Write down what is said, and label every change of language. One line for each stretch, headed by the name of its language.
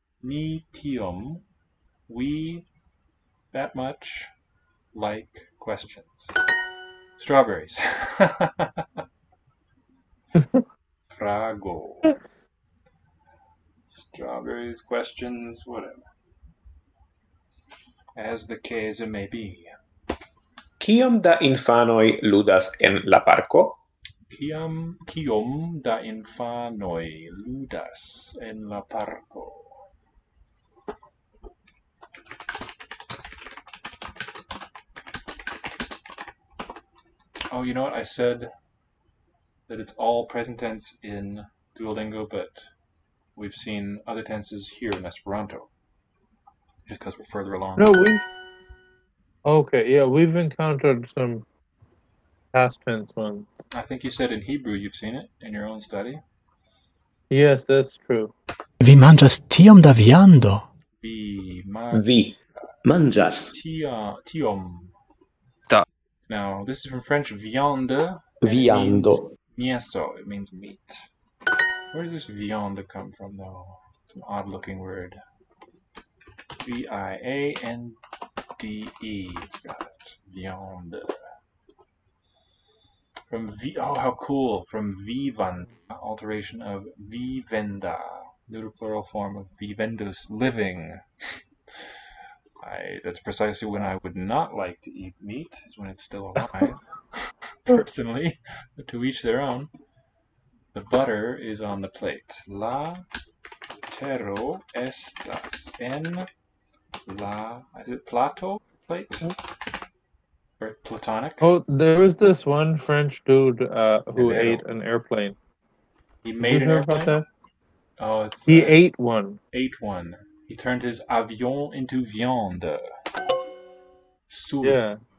Esperanto: Ni tiom,
English: we that much like questions. Strawberries. Frago. Strawberries, questions, whatever. As the case may be.
Esperanto: Kiom da infanoj ludas en la parko? Kiom da infanoj ludas en la parko?
English: Oh, you know what? I said that it's all present tense in Duolingo, but we've seen other tenses here in Esperanto, just because we're further along. No, we've... Okay, yeah, we've encountered some past tense ones. I think you said in Hebrew you've seen it in your own study. Yes, that's true.
Esperanto: Vi manĝas tiom da viando. Vi manĝas tiom.
English: Now, this is from French, viande.
Esperanto: Viando.
English: Mieso, it means meat. Where does this viande come from, though? It's an odd-looking word. V-I-A-N-D-E. It's got viande. From oh, how cool. From vivanda, alteration of vivenda. Neuter plural form of vivendus, living. That's precisely when I would not like to eat meat, is when it's still alive, personally, to each their own. The butter is on the plate.
Esperanto: La tero estas en la, is it plato plate?
English: Mm-hmm. Or platonic? Oh, there was this one French dude who ate an airplane. He made an airplane? About that? Oh, it's, he ate one. Ate one. He turned his avion into viande. Okay.